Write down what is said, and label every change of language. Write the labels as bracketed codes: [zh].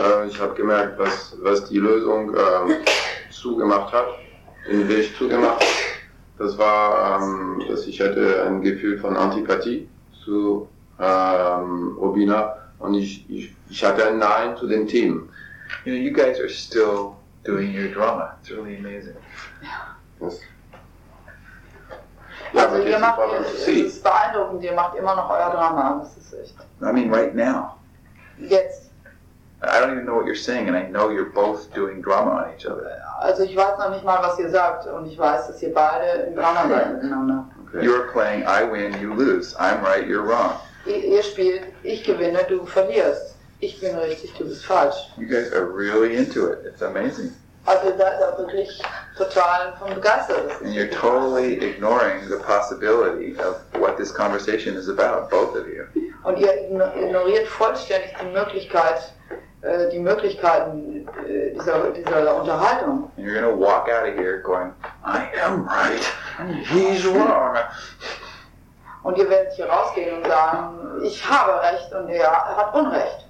[de] Ich habe gemerkt, was die Lösung zugemacht hat, den Weg zugemacht hat. Das war, dass ich hatte ein Gefühl von Antipathie zu Robina, und ich hatte ein Nein zu dem Team. [en] You know, you guys are still doing your drama. It's really amazing. Yeah. Yes. [de] Also, es ist beeindruckend, ihr macht immer noch euer Drama. Das ist echt. [en] I mean, right now. [de] Jetzt. [en] I don't even know what you're saying, and I know you're both doing drama on each other. [de] Also, ich weiß noch nicht mal, was ihr sagt, und ich weiß, dass ihr beide im Drama seid miteinander. [en] You're playing, I win, you lose. I'm right, you're wrong. [de] Ihr spielt, ich gewinne, du verlierst. Ich bin richtig, du bist falsch. [en] You guys are really into it. It's amazing. [de] Also da ist wirklich total vom begeistert. [en] And you're totally ignoring the possibility of what this conversation is about, both of you. [de] Und ihr ignoriert vollständig die Möglichkeiten dieser Unterhaltung. [en] And you're gonna walk out of here going, I am right, he's wrong. [de] Und ihr werdet hier rausgehen und sagen, ich habe recht und er hat Unrecht.